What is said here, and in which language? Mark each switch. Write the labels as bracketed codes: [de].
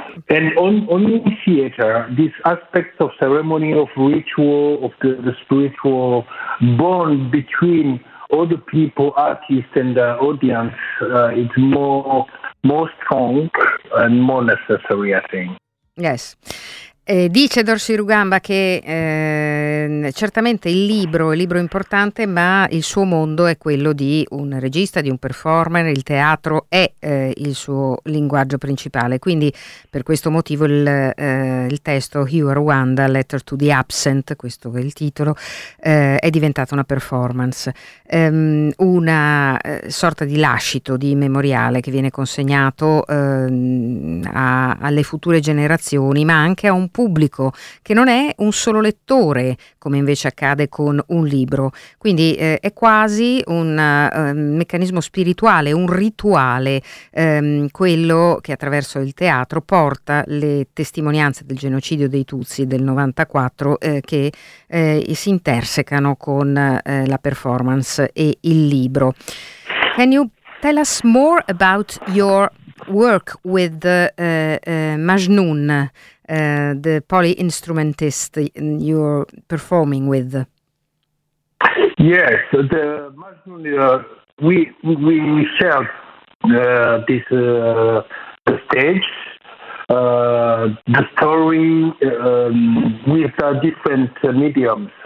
[en] And on theater, this aspect of ceremony, of ritual, of the spiritual bond between all the people, artists, and the audience, it's more strong and more necessary, I think. Yes. [it] Dice Dorsi Rugamba che certamente il libro è importante, ma il suo mondo è quello di un regista, di un performer, il teatro è il suo linguaggio principale, quindi per questo motivo il testo You Are Wanda, Letter to the Absent, questo è il titolo, è diventato una performance, una sorta di lascito, di memoriale che viene consegnato alle future generazioni, ma anche a un pubblico che non è un solo lettore, come invece accade con un libro. Quindi è quasi un meccanismo spirituale, un rituale, quello che attraverso il teatro porta le testimonianze del genocidio dei Tutsi del 94 che si intersecano con la performance e il libro. [en] Can you tell us more about your work with Majnun? The polyinstrumentist you're performing with. Yes, the Majnun. We shared this stage, the story with different mediums.